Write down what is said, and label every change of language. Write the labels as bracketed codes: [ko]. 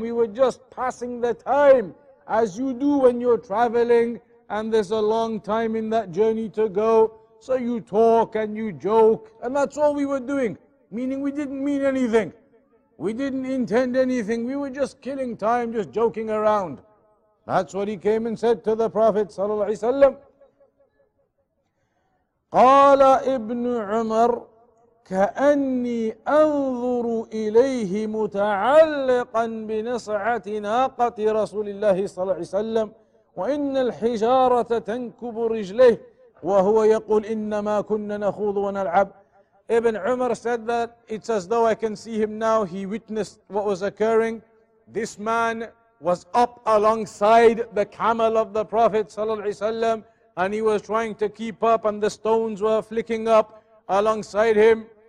[en] We were just passing the time, as you do when you're traveling and there's a long time in that journey to go. So you talk and you joke. And that's all we were doing, meaning we didn't mean anything. We didn't intend anything. We were just killing time, just joking around. That's what he came and said to the Prophet ﷺ. [ar] قال ابن عمر كأني أنظر إليه متعلقا بنصعة ناقة رسول الله صلى الله عليه وسلم وإن الحجارة تنكب رجليه وهو يقول إنما كنا نخوض ونلعب. [en] Ibn Umar said that it's as though I can see him now. He witnessed what was occurring. This man was up alongside the camel of the Prophet [ar] صلى الله عليه وسلم, [en] and he was trying to keep up, and the stones were flicking up alongside him.